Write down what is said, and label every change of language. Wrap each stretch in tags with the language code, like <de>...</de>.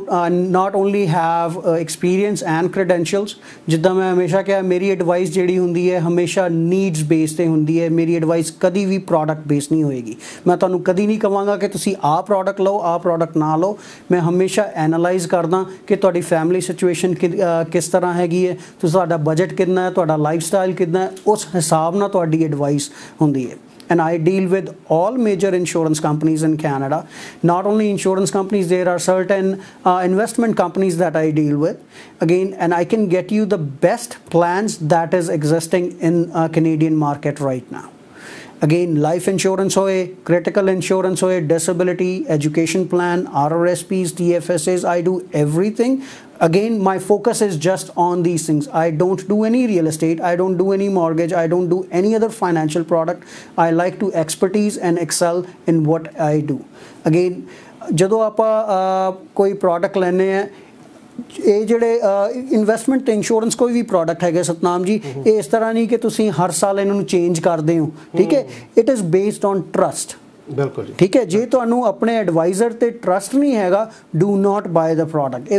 <en>not only have experience and credentials,</en> <pa>ਜਿੱਦਾਂ ਮੈਂ ਹਮੇਸ਼ਾ ਕਿਹਾ ਮੇਰੀ ਐਡਵਾਈਸ ਜਿਹੜੀ ਹੁੰਦੀ ਹੈ ਹਮੇਸ਼ਾ ਨੀਡਸ ਬੇਸ 'ਤੇ ਹੁੰਦੀ ਹੈ, ਮੇਰੀ ਐਡਵਾਈਸ ਕਦੀ ਵੀ ਪ੍ਰੋਡਕਟ ਬੇਸ ਨਹੀਂ ਹੋਏਗੀ। ਮੈਂ ਤੁਹਾਨੂੰ ਕਦੀ ਨਹੀਂ ਕਹਾਂਗਾ ਕਿ ਤੁਸੀਂ ਆਹ ਪ੍ਰੋਡਕਟ ਲਓ ਆਹ ਪ੍ਰੋਡਕਟ ਨਾ ਲਓ, ਮੈਂ ਹਮੇਸ਼ਾ ਐਨਾਲਾਈਜ਼ ਕਰਦਾ ਕਿ ਤੁਹਾਡੀ ਫੈਮਿਲੀ ਸਿਚੁਏਸ਼ਨ ਕਿਸ ਤਰ੍ਹਾਂ ਹੈਗੀ ਹੈ, ਤੁਹਾਡਾ ਬਜਟ ਕਿੰਨਾ ਹੈ, ਤੁਹਾਡਾ ਲਾਈਫ ਸਟਾਈਲ ਕਿੰਨਾ, ਉਸ ਹਿਸਾਬ ਨਾਲ ਤੁਹਾਡੀ ਐਡਵਾਈਸ ਹੁੰਦੀ ਹੈ।</pa> <en>And I deal with all major insurance companies in Canada. Not only insurance companies, there are certain investment companies that I deal with. Again, and I can get you the best plans that is existing in Canadian market right now. Again, life insurance hoye, critical insurance hoye, disability, education plan, RRSPs, TFSAs, I do everything. Again, my focus is just on these things. I don't do any real estate, I don't do any mortgage, I don't do any other financial product. I like to expertise and excel in what I do.</en> <pa>Again, jadon aapa koi product lene hai, ਇਹ ਜਿਹੜੇ investment ਅਤੇ insurance ਕੋਈ ਵੀ product ਹੈਗਾ ਸਤਨਾਮ ਜੀ, ਇਹ ਇਸ ਤਰ੍ਹਾਂ ਨਹੀਂ ਕਿ ਤੁਸੀਂ ਹਰ ਸਾਲ ਇਹਨਾਂ ਨੂੰ ਚੇਂਜ ਕਰਦੇ ਹੋ, ਠੀਕ ਹੈ।</pa> <en>it is based on trust,</en> <pa>ਬਿਲਕੁਲ, ਠੀਕ ਹੈ। ਜੇ ਤੁਹਾਨੂੰ ਆਪਣੇ ਐਡਵਾਈਜ਼ਰ 'ਤੇ ਟਰੱਸਟ ਨਹੀਂ ਹੈਗਾ,</pa> <en>Do not buy the product.</en>